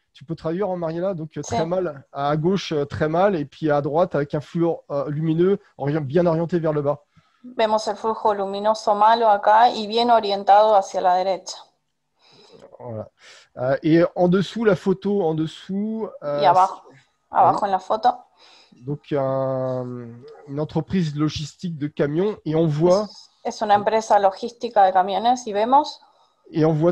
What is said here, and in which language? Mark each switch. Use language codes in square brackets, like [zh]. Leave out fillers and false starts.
[fr] Tu peux traduire en Mariella, donc très mal, à gauche, très mal, et puis à droite, avec un flux lumineux bien orienté vers le bas. [es] Vemos el flujo luminoso malo acá y bien orientado hacia la derecha. [fr] Voilà. Et en dessous, la photo, en dessous, [es] Y abajo, [fr] oui. [es] abajo en la foto. [fr] Donc, une entreprise logistique de camions et on voit [es] Es una empresa logística de camiones y vemos.